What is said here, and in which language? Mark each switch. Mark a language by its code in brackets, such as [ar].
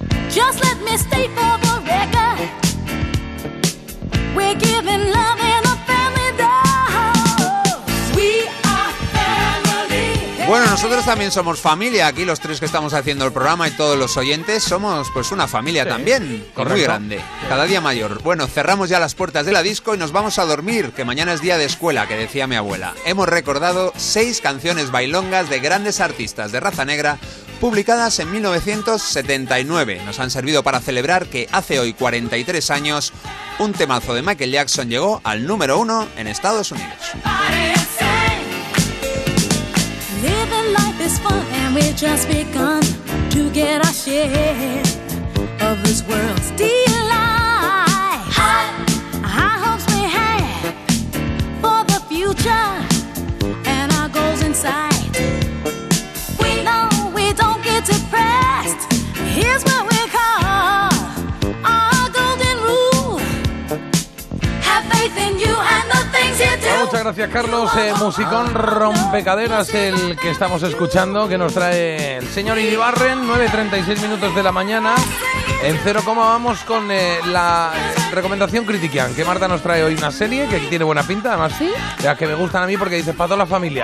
[en] Just let me state for the record, we're giving love in a family dose. We are family. [es] Bueno, nosotros también somos familia. Aquí los tres que estamos haciendo el programa y todos los oyentes somos pues una familia, sí, también. Correcto. Muy grande, cada día mayor. Bueno, cerramos ya las puertas de la disco y nos vamos a dormir, que mañana es día de escuela, que decía mi abuela. Hemos recordado 6 canciones bailongas de grandes artistas de raza negra publicadas en 1979. Nos han servido para celebrar que hace hoy 43 años un temazo de Michael Jackson llegó al número 1 en Estados Unidos. [en] It's fun and we've just begun to get our share of this world's delight. High hopes we have for the future and our goals in sight. We know we don't get depressed. Here's what we call our golden rule. Have faith in you and the things you do. [es] Muchas gracias, Carlos. Musicón rompecaderas el que estamos escuchando, que nos trae el señor Iribarren. 9:36 minutos de la mañana. En cero coma vamos con la recomendación Critiquian, que Marta nos trae hoy una serie que tiene buena pinta, además, ¿sí? De las que me gustan a mí porque dice para toda la familia.